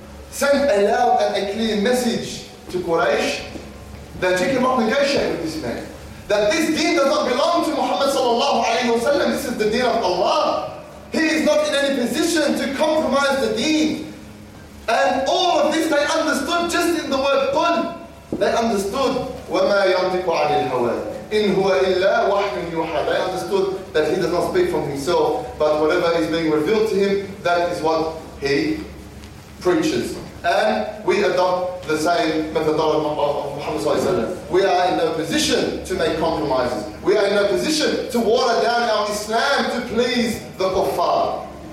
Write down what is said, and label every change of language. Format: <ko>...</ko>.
<en>sent a loud and a clear message to Quraysh that you cannot negotiate with this man. That this deen does not belong to Muhammad sallallahu alayhi wa sallam. This is the deen of Allah. He is not in any position to compromise the deen. And all of this they understood just in the word qul. They understood,</en> <ar>وَمَا يَنْطِقُ عَنِ الْهَوَىٰ إِنْ هُوَ إِلَّا وَحْيٌ يُوحَىٰ.</ar> <en>They understood that he does not speak from himself, but whatever is being revealed to him, that is what he preaches. And we adopt the same methodology of Muhammad sallallahu alayhi wa sallam. We are in no position to make compromises. We are in no position to water down our Islam to please the kuffar.</en>